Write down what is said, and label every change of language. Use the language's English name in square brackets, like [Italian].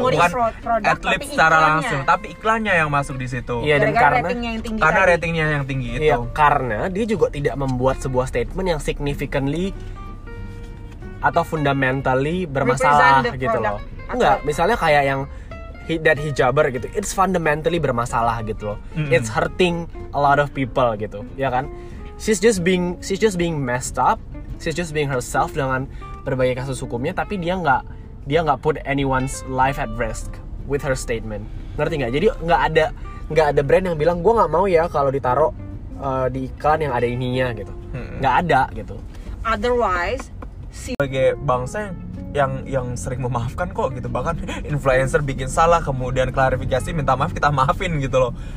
[Indonesian] Bukan adlib secara langsung, tapi iklannya yang masuk di situ. Iya, dan ratingnya yang tinggi itu. Iya, karena dia juga tidak membuat sebuah statement yang significantly atau fundamentally bermasalah gitu loh. Enggak, misalnya kayak yang that hijaber gitu, [English] it's fundamentally [Indonesian] bermasalah gitu loh. [English] It's hurting a lot of people [Indonesian] gitu, ya kan? [English] She's just being messed up, she's just being herself [Indonesian] dengan berbagai kasus hukumnya, tapi dia enggak dia nggak [English] put anyone's life at risk with her statement. [Indonesian] Ngerti nggak? Jadi nggak ada brand yang bilang gue nggak mau ya kalau ditaruh di iklan yang ada ininya gitu. Nggak ada gitu. [English] Otherwise, [Indonesian] sebagai bangsa yang sering memaafkan kok gitu, bahkan influencer bikin salah kemudian klarifikasi minta maaf, kita maafin gitu loh.